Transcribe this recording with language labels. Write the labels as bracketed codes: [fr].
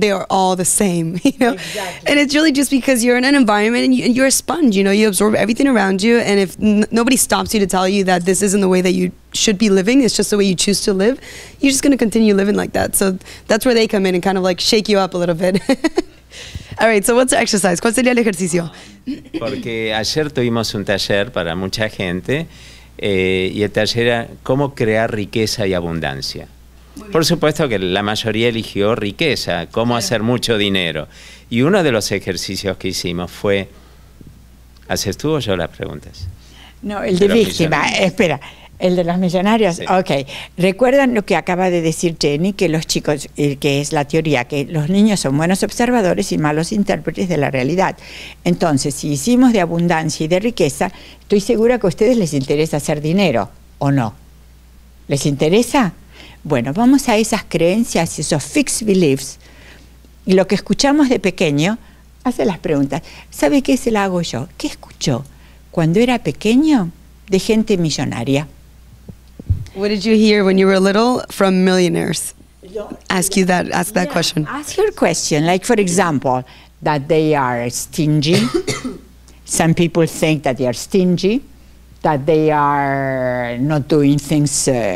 [en] They are all the same, you know, exactly. And it's really just because you're in an environment and you're a sponge, you know, you absorb everything around you. And if nobody stops you to tell you that this isn't the way that you should be living, it's just the way you choose to live, you're just going to continue living like that. So that's where they come in and kind of like shake you up a little bit. All right, so what's the exercise? [es] ¿Cuál sería el ejercicio? Porque ayer tuvimos un taller para mucha gente y el taller era cómo crear riqueza y abundancia. Por supuesto que la mayoría eligió riqueza, cómo hacer mucho dinero. Y uno de los ejercicios que hicimos fue, ¿haces tú o yo las preguntas? No, el de víctima, espera. ¿El de los millonarios? Sí. Ok. ¿Recuerdan lo que acaba de decir Jenny? Que los chicos, que es la teoría, que los niños son buenos observadores y malos intérpretes de la realidad. Entonces, si hicimos de abundancia y de riqueza, estoy segura que a ustedes les interesa hacer dinero, ¿o no? ¿Les interesa? Bueno, vamos a esas creencias, esos [en] fixed beliefs. [es] Y lo que escuchamos de pequeño, hace las preguntas. ¿Sabe qué se la hago yo? ¿Qué escuchó cuando era pequeño de gente millonaria? [en] What did you hear when you were little from millionaires? Ask that question. Ask your question. Like, for example, that they are stingy. Some people think that they are stingy, that they are not doing things